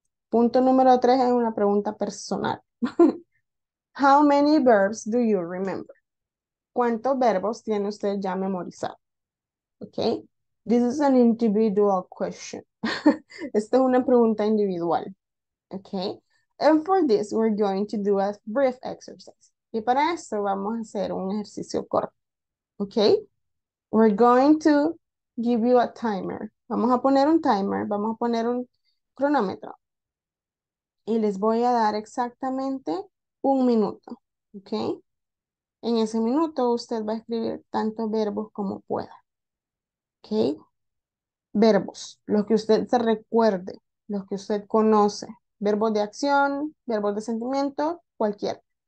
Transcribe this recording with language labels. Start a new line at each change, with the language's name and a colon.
Spanish: Punto número tres es una pregunta personal.
English: How many verbs do you remember?
Spanish: ¿Cuántos verbos tiene usted ya memorizado?
English: Okay, this is an individual question.
Spanish: Esta es una pregunta individual.
English: Okay, and for this, we're going to do a brief exercise.
Spanish: Y para esto vamos a hacer un ejercicio corto.
English: Okay, we're going to give you a timer.
Spanish: Vamos a poner un timer, vamos a poner un cronómetro. Y les voy a dar exactamente un minuto. Okay, en ese minuto usted va a escribir tantos verbos como pueda. Ok, verbos, los que usted se recuerde, los que usted conoce, verbos de acción, verbos de sentimiento, cualquier.